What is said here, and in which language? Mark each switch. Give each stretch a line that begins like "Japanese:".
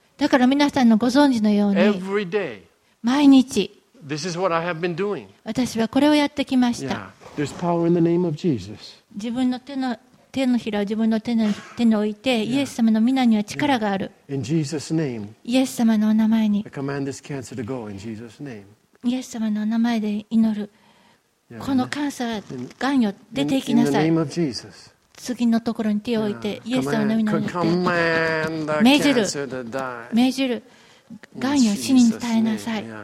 Japanese: だから皆さんのご存知のように。
English: Every day.
Japanese: 毎日。
English: This is what I have been doing.
Japanese: 私はこれをやってきました。
English: Yeah. There's power in the name of Jesus.
Japanese: 自分の手のひらを自分の手に置いて、イエス様の御名には力がある。
English: Yeah. In Jesus' name.
Japanese: イエス様のお名前に。
English: I command this cancer to go in Jesus' name.
Japanese: イエス様のお名前で祈る。このカンサーがんよ出ていきなさい。
English: In the name of Jesus.
Japanese: 次のところに手を置いて、イエス様の御名によって。
English: Command the cancer to die.
Japanese: 命じる。がんよ死に耐えなさい。